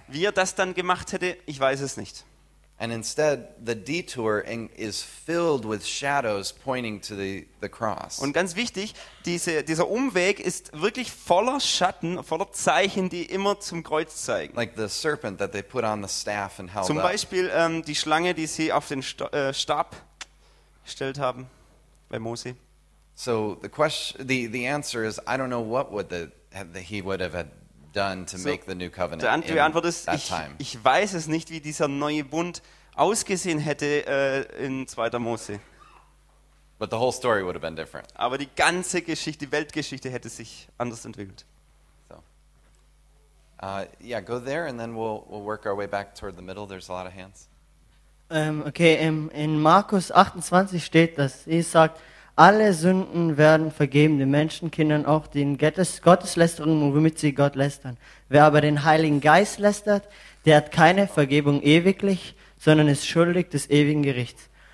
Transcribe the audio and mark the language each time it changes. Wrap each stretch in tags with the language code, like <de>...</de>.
<de>Wie er das dann gemacht hätte, ich weiß es nicht.</de> <en>And instead, the detour is filled with shadows pointing to the cross.</en> <de>Und ganz wichtig, dieser Umweg ist wirklich voller Schatten, voller Zeichen, die immer zum Kreuz zeigen.</de> <en>Like the serpent that they put on the staff and held up.</en> <de>Zum Beispiel die Schlange, die sie auf den Stab gestellt haben bei Mose.</de> <en>So the answer is, I don't know what he would have had done to make the new covenant.</en> <de>Die Antwort ist, ich weiß es nicht, wie dieser neue Bund ausgesehen hätte in 2. Mose.</de> <en>But the whole story would have been different.</en> <de>Aber die ganze Geschichte, die Weltgeschichte hätte sich anders entwickelt.</de> <en>So. Yeah, go there and then we'll work our way back toward the middle. There's a lot of hands.</en> <de>In Markus 28 steht, dass Jesus sagt, alle Sünden werden vergeben, den Menschenkindern auch den Gotteslästerung, womit sie Gott lästern. Wer aber den Heiligen Geist lästert, der hat keine Vergebung ewiglich, sondern ist schuldig des ewigen Gerichts.</de>